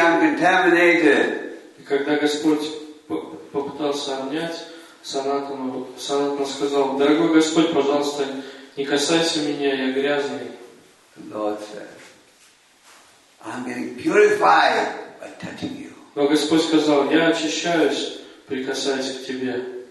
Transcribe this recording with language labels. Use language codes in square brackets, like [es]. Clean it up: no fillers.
[en] I'm contaminated." [ru] И когда Господь попытался обнять Санатану, Санатана сказал, "Дорогой Господь, пожалуйста, не касайся меня, я грязный." [en] The Lord said, "I'm getting purified by touching you." [ru] Но Господь сказал, я очищаюсь, прикасаясь к тебе.